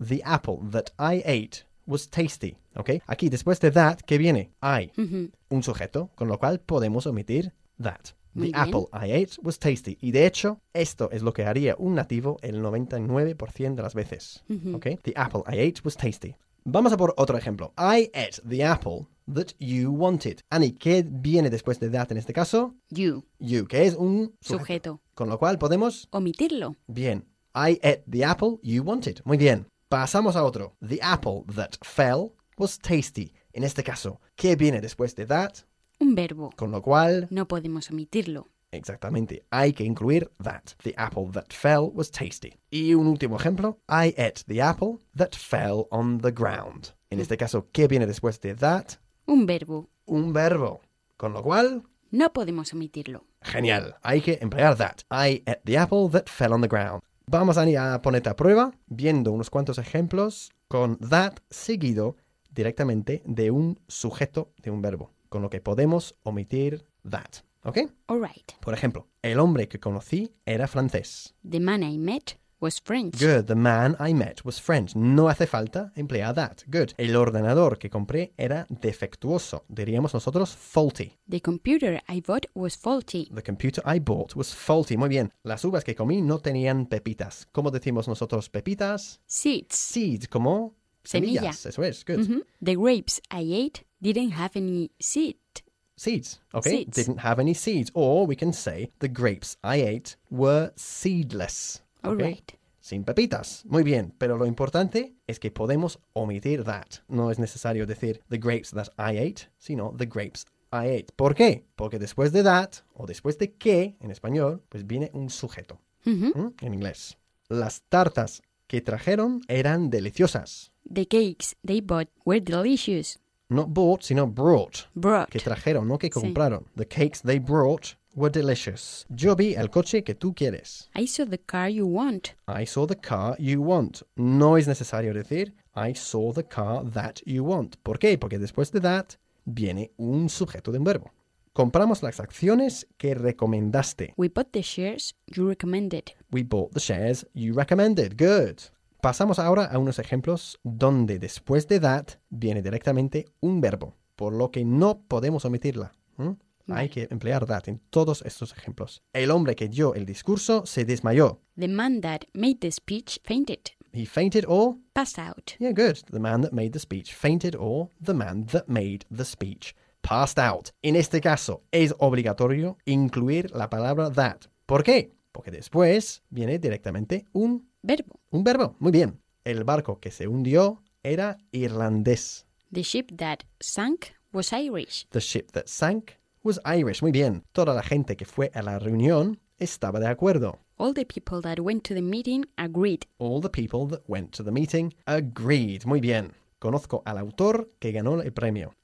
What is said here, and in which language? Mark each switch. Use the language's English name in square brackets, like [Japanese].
[English] The apple that I ate was tasty. Okay? [Spanish] Aquí, después de that, ¿qué viene? [English] I. Mm-hmm. [Spanish] Un sujeto, con lo cual podemos omitir that. The Muy [English] apple [Spanish] bien. [English] I ate was tasty. [Spanish] Y de hecho, esto es lo que haría un nativo el 99% de las veces. Mm-hmm. [English] Okay? The apple I ate was tasty. [Spanish] Vamos a por otro ejemplo. [English] I ate the apple that you wanted. [Spanish] Annie, ¿qué viene después de that en este caso? [English] You. You, [Spanish] que es un sujeto. Con lo cual podemos omitirlo. Bien. [English] I ate the apple you wanted. [Spanish] Muy bien. Pasamos a otro. [English] The apple that fell was tasty. [Spanish] En este caso, ¿qué viene después de that? Un verbo. Con lo cual no podemos omitirlo. Exactamente. Hay que incluir that. [English] The apple that fell was tasty. [Spanish] Y un último ejemplo. [English] I ate the apple that fell on the ground. [Spanish] En este caso, ¿qué viene después de that? Un verbo. Un verbo. Con lo cual no podemos omitirlo. Genial. Hay que emplear that. [English] I ate the apple that fell on the ground. [Spanish] Vamos, Annie, a ponerte a prueba viendo unos cuantos ejemplos con that seguido directamente de un sujeto de un verbo. Con lo que podemos omitir that. ¿Ok? [English] All right. [Spanish] Por ejemplo, el hombre que conocí era francés. [English] The man I met was French. Good. The man I met was French. [Spanish] No hace falta emplear that. [English] Good. [Spanish] El ordenador que compré era defectuoso. Diríamos nosotros faulty. [English] The computer I bought was faulty. The computer I bought was faulty. [Spanish] Muy bien. Las uvas que comí no tenían pepitas. ¿Cómo decimos nosotros pepitas? [English] Seeds. Seeds. ¿Cómo? [Spanish] Semillas. Eso es. Good. Mm-hmm. [English] The grapes I ate didn't have any seed. Seeds, okay? Seeds. Didn't have any seeds. Or we can say the grapes I ate were seedless. Okay? All right. [Spanish] Sin pepitas. Muy bien. Pero lo importante es que podemos omitir that. No es necesario decir [English] the grapes that I ate, [Spanish] sino [English] the grapes I ate. [Spanish] ¿Por qué? Porque después de that, o después de que, en español, pues viene un sujeto. Mm-hmm. ¿Mm? En inglés. Las tartas que trajeron eran deliciosas. [English] The cakes they bought were delicious. Not bought, [Spanish] sino [English] brought. Brought. [Spanish] Que trajeron, no que compraron. Sí. [English] The cakes they brought were delicious. [Spanish] Yo vi el coche que tú quieres. [English] I saw the car you want. I saw the car you want. [Spanish] No es necesario decir [English] I saw the car that you want. [Spanish] ¿Por qué? Porque después de that viene un sujeto de un verbo. Compramos las acciones que recomendaste. [English] We bought the shares you recommended. We bought the shares you recommended. Good. [Spanish] Pasamos ahora a unos ejemplos donde después de that viene directamente un verbo, por lo que no podemos omitirla. ¿Mm? Hay que emplear that en todos estos ejemplos. El hombre que dio el discurso se desmayó. [English] The man that made the speech fainted. He fainted or passed out. Yeah, good. The man that made the speech fainted or the man that made the speech passed out. [Spanish] En este caso, es obligatorio incluir la palabra that. ¿Por qué? Porque después viene directamente un verbo. Un verbo. Muy bien. El barco que se hundió era irlandés. [English] The ship that sank was Irish. The ship that sank was Irish. [Spanish] Muy bien. Toda la gente que fue a la reunión estaba de acuerdo. [English] All the people that went to the meeting agreed. All the people that went to the meeting agreed. [Spanish] Muy bien. Conozco al autor que ganó el premio.